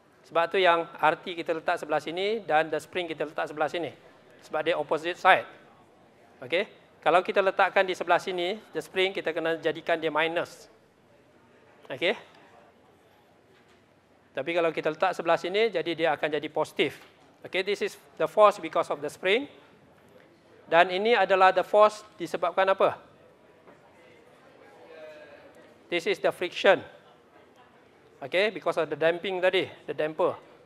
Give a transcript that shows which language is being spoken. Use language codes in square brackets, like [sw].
[ms] Sebab tu yang RT kita letak sebelah sini dan [en] the spring [ms] kita letak sebelah sini. Sebab dia [en] opposite side. [ms] Okay. Kalau kita letakkan di sebelah sini, [en] the spring, [ms] kita kena jadikan dia minus. Okay? Tapi kalau kita letak sebelah sini, jadi dia akan jadi positif. [en] Okay, this is the force because of the spring. [ms] Dan ini adalah [en] the force [ms] disebabkan apa? [en] This is the friction. Okay, because of the damping tadi, the damper.